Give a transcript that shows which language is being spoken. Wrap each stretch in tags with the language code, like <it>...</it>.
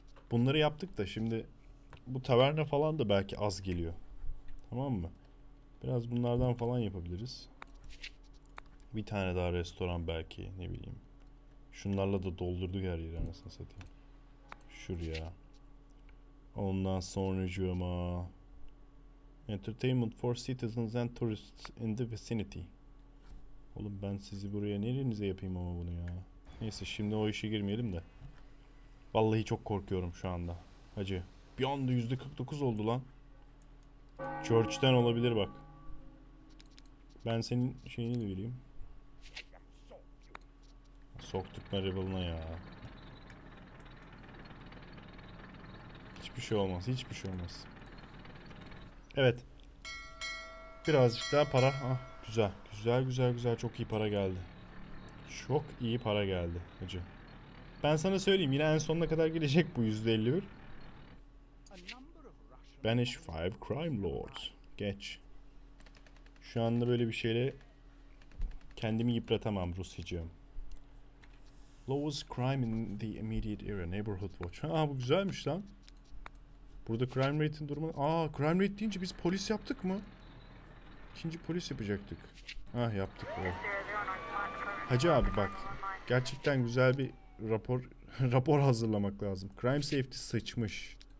<tr>Bunları yaptık da şimdi bu taverna falan da belki az geliyor. Tamam mı? Biraz bunlardan falan yapabiliriz. Bir tane daha restoran belki ne bileyim. Şunlarla da doldurduk her yeri anasını satayım. Şuraya. Ondan sonra cuma.</tr> <en>Entertainment for citizens and tourists in the vicinity.</en> <tr>Oğlum ben sizi buraya nerenize yapayım ama bunu ya. Neyse şimdi o işe girmeyelim de. Vallahi çok korkuyorum şu anda. Hacı. Bir anda %49 oldu lan. Church'ten olabilir bak. Ben senin şeyini de vereyim. Soktuk Maribel'ına ya. Hiçbir şey olmaz. Hiçbir şey olmaz. Evet. Birazcık daha para. Ah, güzel. Güzel güzel güzel. Çok iyi para geldi. Çok iyi para geldi. Hacı. Ben sana söyleyeyim yine en sonuna kadar gelecek bu %51.</tr> <en>Banish five crime lords.</en> <tr>Geç. Şu anda böyle bir şeyle kendimi yıpratamam Rusyacığım.</tr> <en>Lowest crime in the immediate area. Neighborhood watch.</en> <tr>Ha bu güzelmiş lan. Burada crime rate'in durumu. Aa crime rate deyince biz polis yaptık mı? İkinci polis yapacaktık. Ah yaptık. Oh. Hacı abi bak. Gerçekten güzel bir rapor hazırlamak lazım.</tr> <en>Crime safety</en> <tr>sıçmış.</tr>